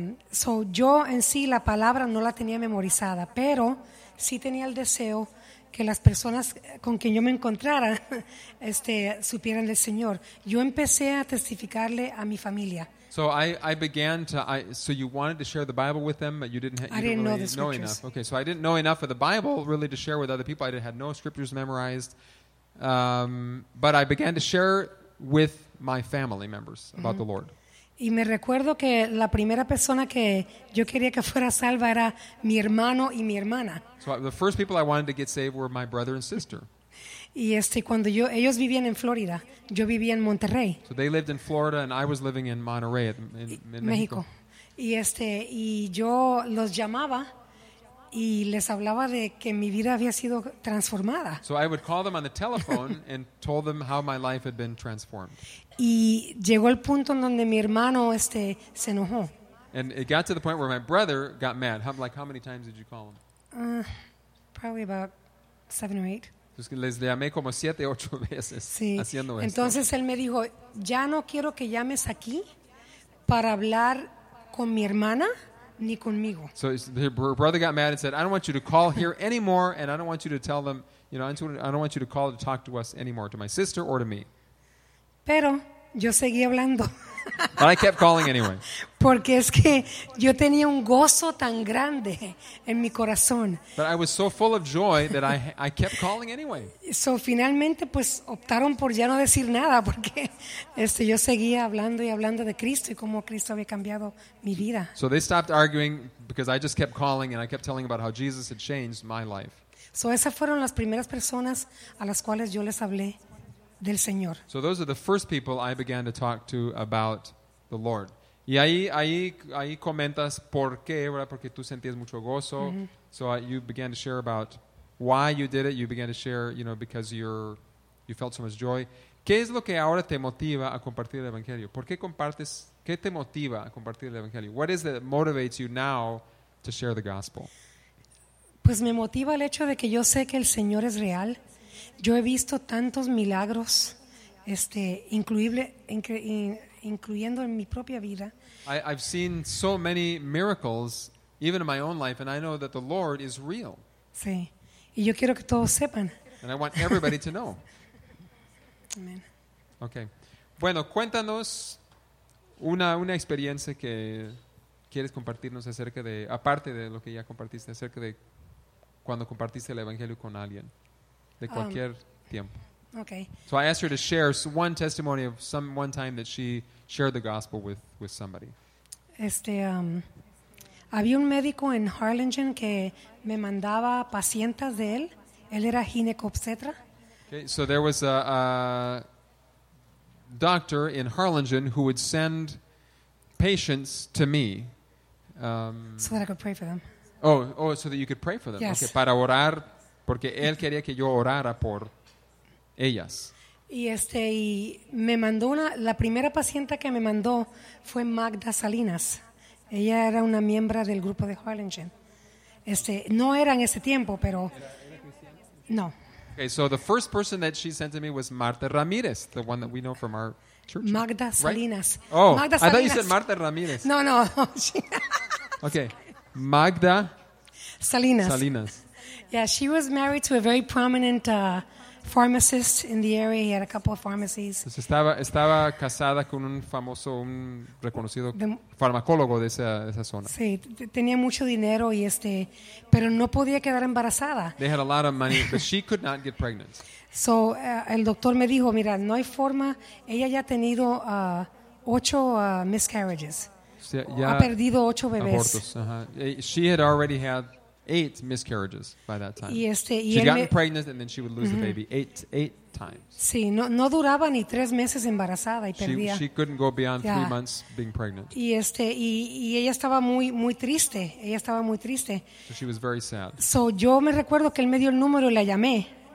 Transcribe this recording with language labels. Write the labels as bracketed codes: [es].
[es] So yo en sí la palabra no la tenía memorizada, pero sí tenía el deseo que las personas con quien yo me encontrara supieran del Señor. Yo empecé a testificarle a mi familia. [en] So so you wanted to share the Bible with them, but you didn't really know enough. Okay, so I didn't know enough of the Bible really to share with other people. I had no scriptures memorized. But I began to share with my family members about the Lord. [es] Y me recuerdo que la primera persona que yo quería que fuera salva era mi hermano y mi hermana. [en] So the first people I wanted to get saved were my brother and sister. [es] Y cuando ellos vivían en Florida, yo vivía en Monterrey. [en] So they lived in Florida and I was living in Monterrey in Mexico. [es] Y yo los llamaba y les hablaba de que mi vida había sido transformada. [en] So I would call them on the telephone and told them how my life had been transformed. [es] Y llegó el punto en donde mi hermano se enojó. [en] And it got to the point where my brother got mad. How many times did you call him? Probably about 7 or 8. [es] Les llamé como 7 u 8 veces, sí, haciendo esto. Entonces él me dijo, ya no quiero que llames aquí para hablar con mi hermana ni conmigo. [en] So her brother got mad and said, I don't want you to call here anymore, and I don't want you to tell them, you know, I don't want you to call to talk to us anymore, to my sister or to me. [es] Pero yo seguí hablando. [en] But I kept calling anyway. [es] Porque es que yo tenía un gozo tan grande en mi corazón. [en] But I was so full of joy that I kept calling anyway. [es] So finalmente pues optaron por ya no decir nada porque yo seguía hablando y hablando de Cristo y cómo Cristo había cambiado mi vida. [en] So they stopped arguing because I just kept calling and I kept telling about how Jesus had changed my life. [es] So esas fueron las primeras personas a las cuales yo les hablé del Señor. [en] So those are the first people I began to talk to about the Lord. [es] Y ahí comentas por qué, ¿verdad? Porque tú sentías mucho gozo. Mm-hmm. [en] So you began to share about why you did it. You began to share, you know, because you felt so much joy. [es] ¿Qué es lo que ahora te motiva a compartir el Evangelio? ¿Por qué compartes? ¿Qué te motiva a compartir el Evangelio? [en] What is it that motivates you now to share the gospel? [es] Pues me motiva el hecho de que yo sé que el Señor es real. Yo he visto tantos milagros, incluyendo en mi propia vida. [en] I've seen so many miracles, even in my own life, and I know that the Lord is real. [es] Sí. Y yo quiero que todos sepan. [en] And I want everybody to know. Amen. Okay. [es] Bueno, cuéntanos una experiencia que quieres compartirnos acerca de, aparte de lo que ya compartiste, acerca de cuando compartiste el Evangelio con alguien, de cualquier tiempo. [en] Okay. So I asked her to share one testimony of some one time that she shared the gospel with somebody. [es] Había un médico en Harlingen que me mandaba pacientas de él. Él era ginecobstetra. [en] Okay, so there was a doctor in Harlingen who would send patients to me. So that I could pray for them. Oh, so that you could pray for them. Yes. [es] Okay, para orar, porque él quería que yo orara por ellas. Y me mandó la primera paciente que me mandó fue Magda Salinas. Ella era una miembro del grupo de Harlingen. No era en ese tiempo, pero no. [en] Okay, so the first person that she sent to me was Marta Ramirez, the one that we know from our church. [es] Magda Salinas. [en] Right? Oh, Magda Salinas. I thought you said Marta Ramirez. No. Okay. Magda Salinas. Salinas. Yeah, she was married to a very prominent pharmacist in the area. He had a couple of pharmacies. [es] Entonces estaba casada con un reconocido farmacólogo de esa zona. Sí, tenía mucho dinero y pero no podía quedar embarazada. [en] They had a lot of money, but she could not get pregnant. [es] So el doctor me dijo, mira, no hay forma. Ella ya ha tenido 8 miscarriages. Sí, ya ha perdido 8 bebés. Abortos. Uh-huh. [en] She had already had 8 miscarriages by that time. She'd gotten pregnant and then she would lose the baby 8 times. [es] Sí, no duraba ni 3 meses embarazada y perdía. [en] She couldn't go beyond 3 months being pregnant. [es] Y ella estaba muy muy triste. Ella estaba muy triste. [en] So she was very sad. [es] So yo me recuerdo que él me dio el número y la llamé.